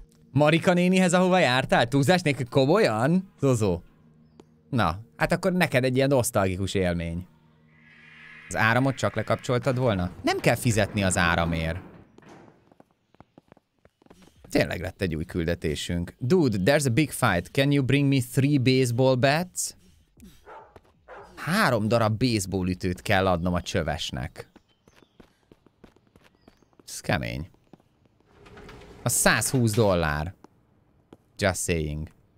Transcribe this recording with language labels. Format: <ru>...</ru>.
<hu>Marika nénihez, ahova jártál? Túlzás nélkül komolyan? Zozo. Na, hát akkor neked egy ilyen nosztalgikus élmény. Az áramot csak lekapcsoltad volna? Nem kell fizetni az áramért. Tényleg lett egy új küldetésünk.</hu> <en>Dude, there's a big fight. Can you bring me 3 baseball bats?</en> <hu>3 darab baseball ütőt kell adnom a csövesnek. Ez kemény. A 120 dollár.</hu> <en>Just saying.</en>